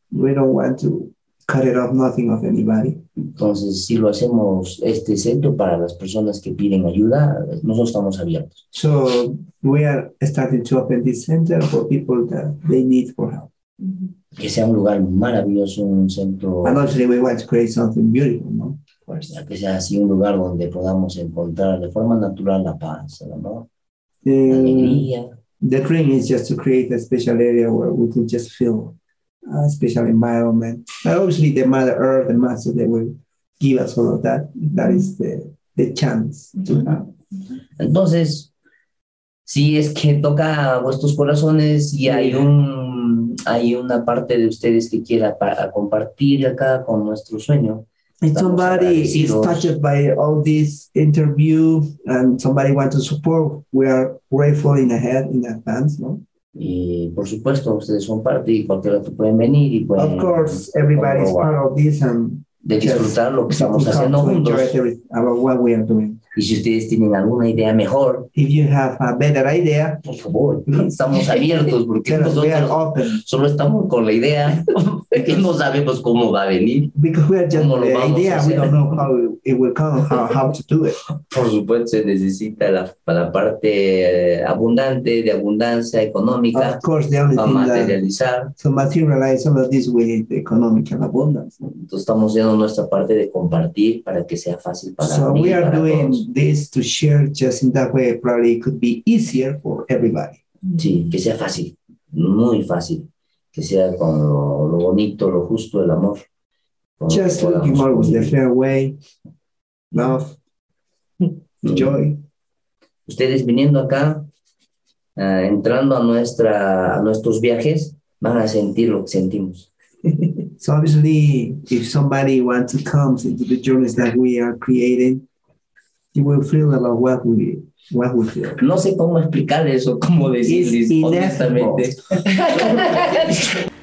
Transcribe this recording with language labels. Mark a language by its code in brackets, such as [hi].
[en] We don't want to cut it off nothing of anybody. [es] Entonces si lo hacemos este centro para las personas que piden ayuda, nosotros estamos abiertos. [en] So we are starting to open this center for people that they need for help. [es] Que sea un lugar maravilloso, un centro. [en] And obviously we want to create something beautiful, no? [es] Que sea así un lugar donde podamos encontrar de forma natural la paz, ¿no? La alegría. [en] The dream is just to create a special area where we can just feel a special environment. But obviously the Mother Earth, the Master, they will give us all of that. That is the chance to have. [es] Entonces, si es que toca a vuestros corazones y hay una parte de ustedes que quiera compartir acá con nuestro sueño, [en] if somebody is touched by all this interview and somebody wants to support, we are grateful in advance, no? [es] Y por supuesto, ustedes son parte y cualquier otro pueden venir y pueden. [en] Of course, everybody is part of this and [es] de disfrutar lo que estamos haciendo juntos. [en] About what we are doing. [es] Y si ustedes tienen alguna idea mejor, [en] if you have a better idea, [es] por favor, estamos abiertos porque nosotros [en] open. [es] Solo estamos con la idea y no sabemos cómo va a venir. [en] Because we are just the idea, we don't know how it will come, how to do it. [es] Por supuesto, se necesita la parte abundante, de abundancia económica, [en] of course, the only [es] para materializar. [en] To materialize some of this with economic and abundance. [es] Entonces estamos haciendo nuestra parte de compartir para que sea fácil para [en] so [es] mí [en] we are [es] para [en] doing [es] todos. [en] This to share just in that way, probably it could be easier for everybody. [es] Sí, que sea fácil, muy fácil. Que sea con lo bonito, lo justo, el amor. [en] Just looking more with the fair way, love, joy. [es] Ustedes viniendo acá, entrando a nuestros viajes, van a sentir lo que sentimos. [en] So obviously, if somebody wants to come into the journeys that we are creating, you will feel about what we feel. [es] No sé cómo explicar eso, cómo decirles, honestamente.